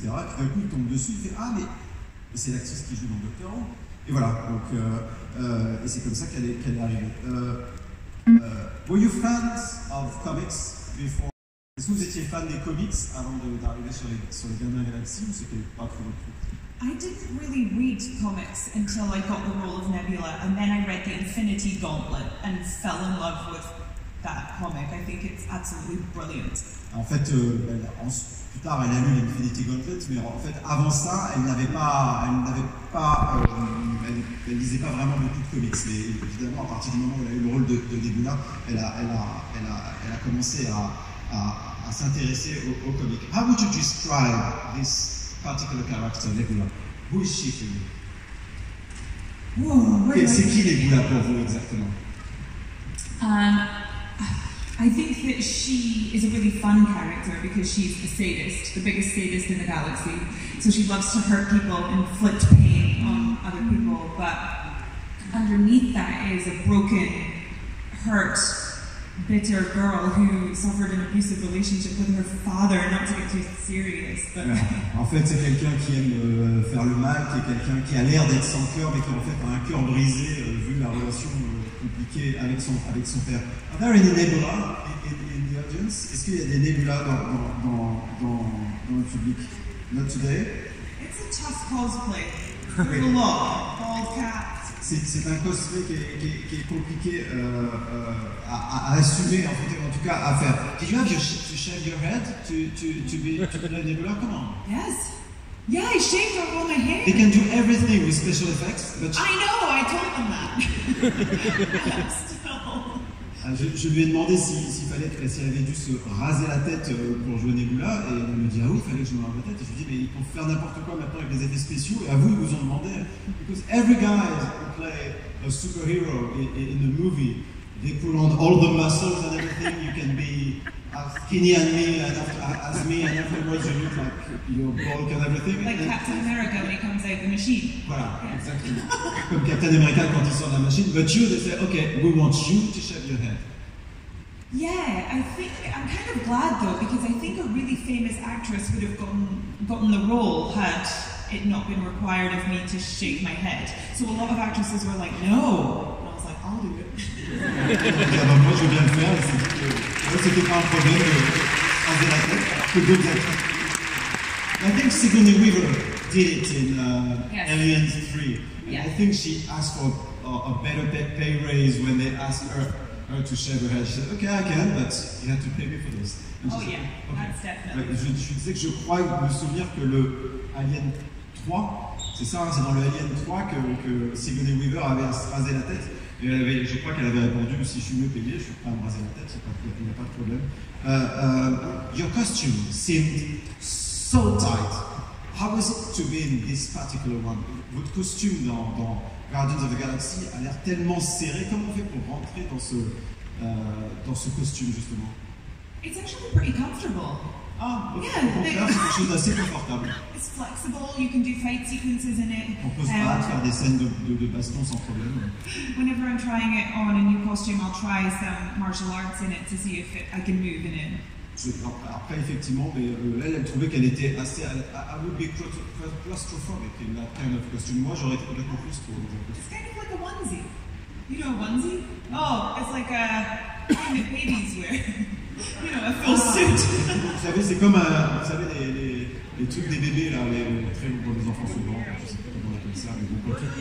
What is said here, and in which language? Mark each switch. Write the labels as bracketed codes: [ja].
[fr] Et puis d'un coup, il tombe dessus, il fait « Ah, mais c'est l'actrice qui joue dans Doctor Who !» Et voilà, donc, et c'est comme ça qu'elle est arrivée. [en] Were you fans of comics before? [fr] Est-ce que vous étiez fan des comics avant d'arriver sur les dernières galaxies ou c'était pas trop le truc? [en] I didn't really read comics until I got the role of Nebula, and then I read the Infinity Gauntlet and fell in love with that comic. I think it's absolutely brilliant. [fr] En fait, plus tard, elle a lu l'Infinity Gauntlet, mais en fait, avant ça, elle lisait pas vraiment beaucoup de comics. Mais évidemment, à partir du moment où elle a eu le rôle de Nebula, elle a commencé à s'intéresser aux comics. [en] How would you describe this particular character, Nebula? Who is she for you? Ooh, [fr] c'est qui Nebula pour vous exactement? [en] I think that she is a really fun character because she's a sadist, the biggest sadist in the galaxy. So she loves to hurt people, inflict pain on other people. But underneath that is a broken, hurt, bitter girl who suffered an abusive relationship with her father. Not to get too serious, but [fr] en fait, c'est quelqu'un qui aime faire le mal, qui est quelqu'un qui a l'air d'être sans cœur, mais qui en fait a un cœur brisé vu la relation. Compliqué avec son père. [en] Are there any Nebula in the audience? [fr] Est-ce qu'il y a des Nebula dans le public? [en] Not today. It's a tough cosplay. There's a lot. Bald cap. [fr] C'est un cosplay qui est compliqué à assumer, en fait, en tout cas à faire. [en] Did you have to shave your head to be a Nebula? Come on. Yes. Yeah, I shaved off all my hair. They can do everything with special effects, but I know, I told them that. [fr] Je lui ai demandé si elle avait dû se raser la tête pour jouer Nebula, et elle me dit ah oui, il fallait que je me rase la tête. Et je lui dis mais ils peuvent faire n'importe quoi maintenant avec des effets spéciaux. Et à vous, ils vous ont demandé. [en] Because every guy who play a superhero in a movie, they pull on all the muscles and everything. You can be as skinny as me and everyone, you look like your bulk and everything. Like and Captain America when he comes out of the machine. [fr] Voilà, exactly. Comme Captain America quand il sort de la machine. [en] But you, they say, okay, we want you to shave your head. Yeah, I think, I'm kind of glad though, because I think a really famous actress would have gotten the role had it not been required of me to shave my head. So a lot of actresses were like, no. I'll do it. [fr] Moi, je veux bien le faire. Moi, c'était pas un problème de changer la tête. Que deux actrices. [en] I think Sigourney Weaver did it in Aliens 3. Yes. I think she asked for a better pay raise when they asked her to shave her head. She said, okay, I can, but you have to pay me for this. And oh, yeah, okay. That's definitely. [fr] Je disais que je crois me souvenir que le Alien 3, c'est ça, c'est dans le Alien 3 que Sigourney Weaver avait rasé la tête. Je crois qu'elle avait répondu, si je suis mieux payé, je suis prêt à me raser la tête, il n'y a pas de problème. [en] Your costume seemed so tight. How was it to be in this particular one? [fr] Votre costume dans Guardians of the Galaxy a l'air tellement serré. Comment on fait pour rentrer dans ce costume, justement? [en] It's actually pretty comfortable. [fr] C'est quelque chose d'assez confortable. [en] It's flexible, you can do fight sequences in it. [fr] On peut se battre, faire des scènes de baston sans problème. [en] Whenever I'm trying it on a new costume, I'll try some martial arts in it to see if I can move in it. [fr] Après, effectivement, mais elle trouvait qu'elle était assez... [en] I would be claustrophobic in that kind of costume. [fr] Moi, j'aurais été complètement plus pour... [en] It's kind of like a onesie. You know a onesie? Oh, it's like a kind of babies wear. You know, a full suit. [fr] Vous savez, c'est comme, vous savez, les trucs des bébés là, les très bons enfants. France ou Blanc, je ne sais pas comment on appelle ça, mais donc